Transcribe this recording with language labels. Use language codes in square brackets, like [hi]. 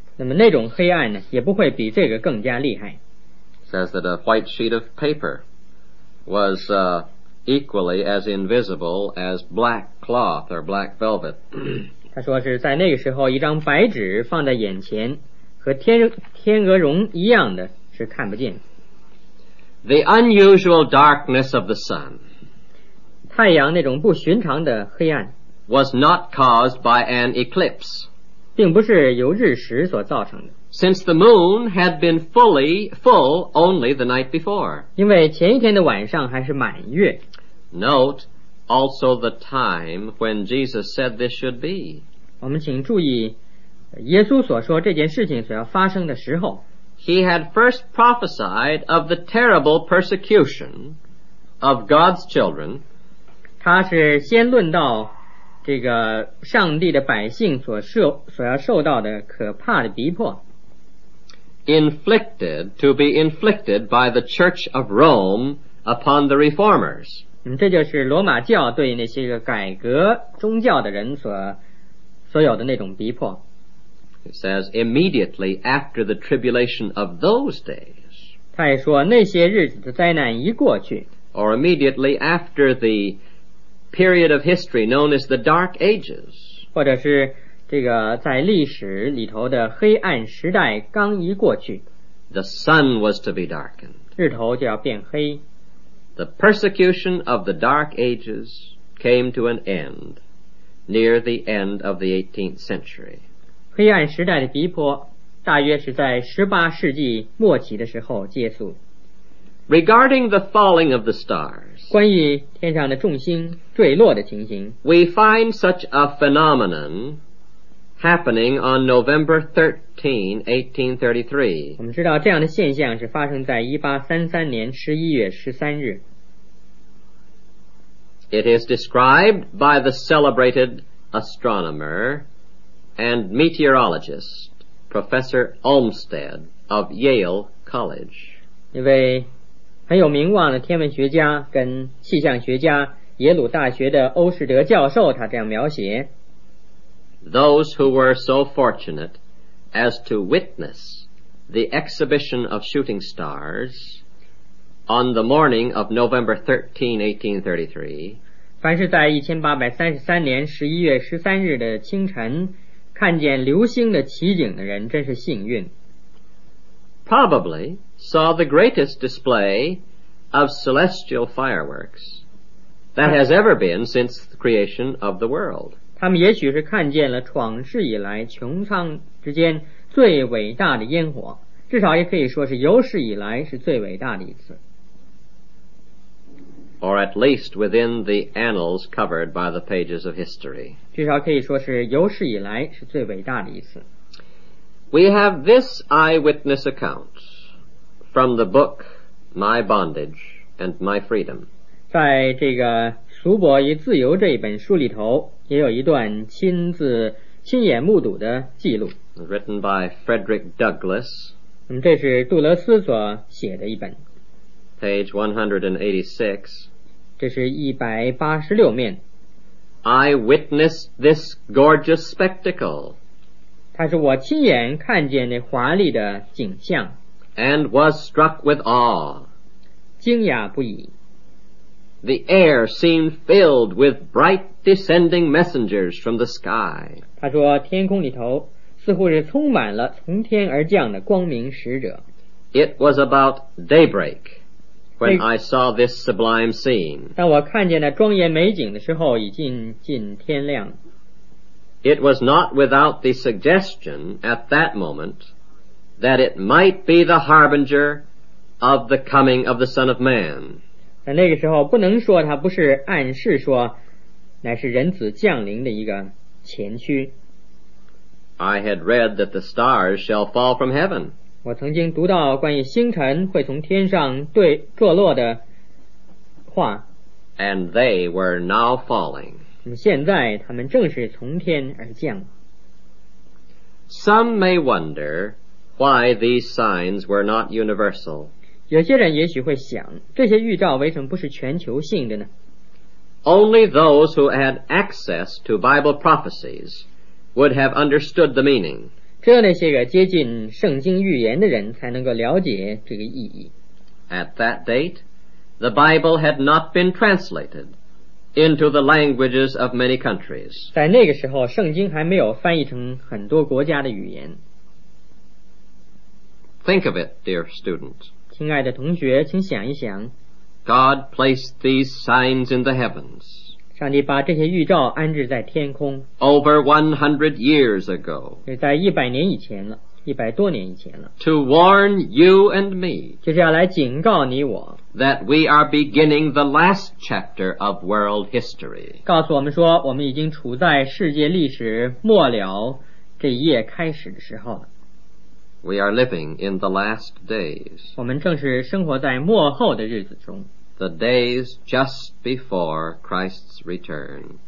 [zh] 那么那种黑暗呢也不会比这个更加厉害 [en] it says that a white sheet of paper was equally as invisible as black cloth or black velvet. [zh] 他说是在那个时候一张白纸放在眼前和 天鹅绒一样的是看不见 [en] The unusual darkness of the sun [zh] 太阳那种不寻常的黑暗 [en] was not caused by an eclipse [zh] 并不是由日食所造成的 [en] since the moon had been fully full only the night before [zh] 因为前一天的晚上还是满月 [en] Note also the time when Jesus said this should be [zh] 我们请注意耶稣所说这件事情所要发生的时候 [en] He had first prophesied of the terrible persecution of God's children [zh] 他是先论到这个上帝的百姓所要受到的可怕的逼迫 [en] inflicted to be inflicted by the Church of Rome upon the reformers [zh] 这就是罗马教对那些个改革宗教的人所有的那种逼迫 [en] It says, immediately after the tribulation of those days, [zh] 他也说那些日子的灾难一过去 [en] or immediately after the period of history known as the Dark Ages, [zh] 或者是这个在历史里头的黑暗时代刚一过去 [en] the sun was to be darkened, [zh] 日头就要变黑 [en] the persecution of the Dark Ages came to an end near the end of the 18th century. [zh] 黑暗时代的逼迫大约是在18世纪末期的时候结束 [en] Regarding the falling of the stars [zh] 关于天上的众星坠落的情形 [en] We find such a phenomenon happening on November 13, 1833 [zh] 我们知道这样的现象是发生在1833年11月13日 [en] It is described by the celebrated astronomerand meteorologist Professor Olmsted of Yale College [zh] 一位很有名望的天文学家跟气象学家耶鲁大学的欧士德教授他这样描写 [en] Those who were so fortunate as to witness the exhibition of shooting stars on the morning of November 13, 1833 [zh] 看见流星的奇景的人真是幸运 [en] Probably saw the greatest display of celestial fireworks that has ever been since the creation of the world [zh] 他们也许是看见了创世以来穹苍之间最伟大的烟火至少也可以说是有史以来是最伟大的一次 [en] Or at least within the annals covered by the pages of history [zh] 至少可以说是有史以来是最伟大的一次 [en] We have this eyewitness account from the book My Bondage and My Freedom [zh] 在这个俗伯与自由这一本书里头也有一段亲眼目睹的记录 [en] Written by Frederick Douglass [zh] 这是杜勒斯所写的一本 [en] Page 186 [zh] 这是186面 [en] I witnessed this gorgeous spectacle. [zh] 他说我亲眼看见那华丽的景象 [en] And was struck with awe. [zh] 惊讶不已 [en] The air seemed filled with bright descending messengers from the sky. [zh] 他说天空里头似乎是充满了从天而降的光明使者 [en] It was about daybreak. When I saw this sublime scene, [zh] 当我看见那庄严美景的时候，已经近天亮。 [en] It was not without the suggestion at that moment that it might be the harbinger of the coming of the Son of Man. [zh] 在那个时候不能说他不是暗示说乃是人子降临的一个前驱。 [en] I had read that the stars shall fall from heaven. [zh] 我曾经读到关于星辰会从天上对坠落的话。 [en] And they were now falling. [zh] 现在他们正是从天而降。 [en] Some may wonder why these signs were not universal. [zh] 有些人也许会想，这些预兆为什么不是全球性的呢？ [en] Only those who had access to Bible prophecies would have understood the meaning. [zh] 只有那些个接近圣经预言的人才能够了解这个意义。 [en] At that date, the Bible had not been translated into the languages of many countries. [zh] 在那个时候，圣经还没有翻译成很多国家的语言。 [en] Think of it, dear student. [zh] 亲爱的同学，请想一想。 [en] God placed these signs in the heavens. [zh] 上帝把这些预兆安置在天空。 [en] Over 100 years ago. [zh] 在100年以前了，100多年以前了。 [en] To warn you and me. [zh] 就是要来警告你我。 [en] That we are beginning the last chapter of world history. [zh] 告诉我们说，我们已经处在世界历史末了这一页开始的时候了。 [en] We are living in the last days. [zh] 我们正是生活在末后的日子中。 [en] The days just before Christ's return.